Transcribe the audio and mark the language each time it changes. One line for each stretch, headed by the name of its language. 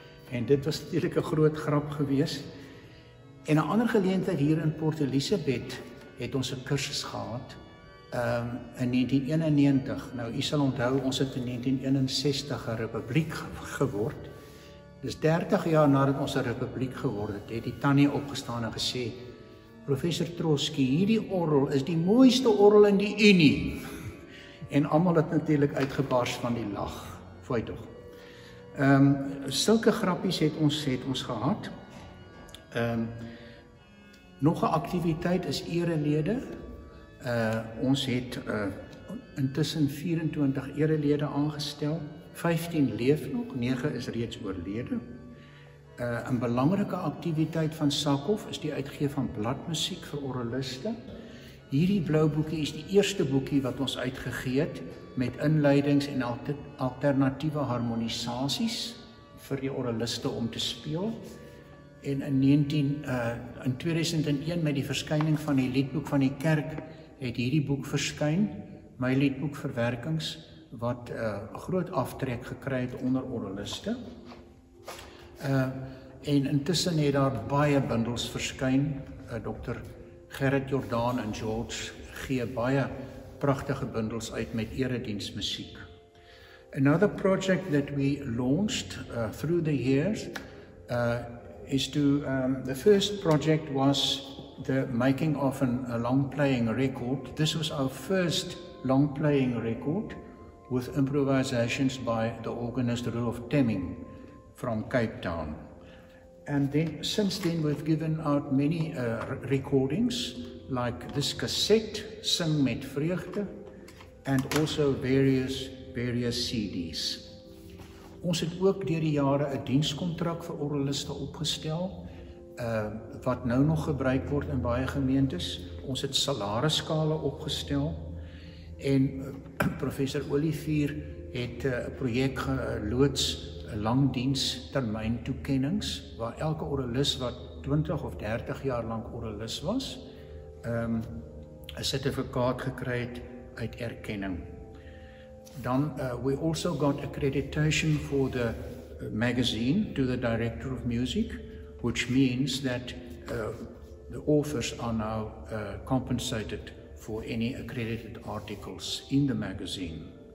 Afrikaans: En dit was natuurlijk 'n groot grap gewees. En 'n ander geleentheid hier in Port Elizabeth, het ons 'n kursus gehad in 1991. Nou, u sal onthou, ons het in 1961 'n republiek geword. Dis 30 jaar nadat ons 'n republiek geword het, het die tannie opgestaan en gesê, professor Trotsky, hierdie orrel is die mooiste orrel in die Unie. En allemaal het natuurlijk uitgebars van die lach, voel toch. Sulke grappies het ons gehad. Nog 'n aktiwiteit is erelede. Ons het intussen 24 erelede aangestel. 15 leef nog, 9 is reeds oorlede. 'N belangrike aktiwiteit van Sakhof is die uitgee van bladmusiek vir oraliste. Hierdie blou boekie is die eerste boekie wat ons uitgegee het met inleidings en alternatiewe harmonisasies vir die oraliste om te speel. En in 2001, met die verskyning van die liedboek van die kerk, het hierdie boek verskyn, my liedboek Verwerkings, wat groot aftrek gekry het onder oraliste. En intussen het daar baie bundels verskyn. Dr. Gerrit Jordaan en George gee baie prachtige bundels uit met eredienstmuziek.
English: Another project that we launched through the years is to, the first project was the making of a long playing record. This was our first long playing record with improvisations by the organist Rudolf Temming from Cape Town. And then since then we've given out many recordings like this cassette, Sing Met Vreugde, and also various CDs.
Afrikaans: Ons het ook deur die jare 'n dienskontrak vir oraliste opgestel, wat nou nog gebruik word in baie gemeentes. Ons het salarisskale opgestel en professor Olivier het 'n projek geloods, 'n lang diensttermyn toekennings, waar elke oralis wat 20 of 30 jaar lank oralis was, 'n sertifikaat gekry het uit erkenning.
English: Dan, we also got accreditation for the magazine to the director of music, which means that the authors are now compensated for any accredited articles in the magazine.